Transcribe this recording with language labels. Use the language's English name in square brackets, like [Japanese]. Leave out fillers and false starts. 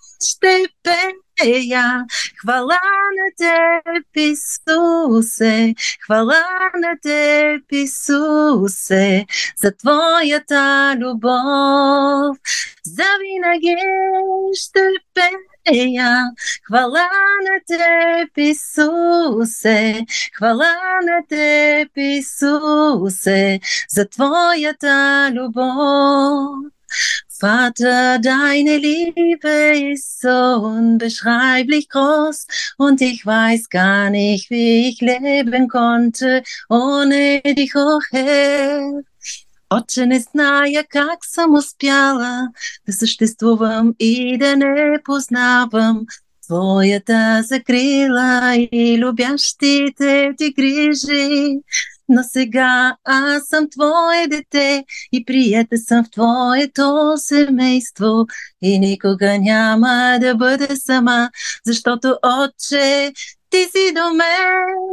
[Bulgarian] Ще пея хвала на Теб, Исусе, хвала на Теб, Исусе, за Твоята любов. Завинаги ще пея хвала на Теб, Исусе, хвала на Теб, Исусе, за Твоята любов. [German] Vater, deine Liebe ist so unbeschreiblich groß und ich weiß gar nicht, wie ich leben konnte ohne dich, oh Herr. [Bulgarian] Отче, не зная как съм успяла да съществувам и да не познавам Твоята закрила и любящите Ти грижи. Но сега аз съм Твое дете и приета съм в Твоето семейство и никога няма да бъда сама, защото, Отче, Ти си до мен.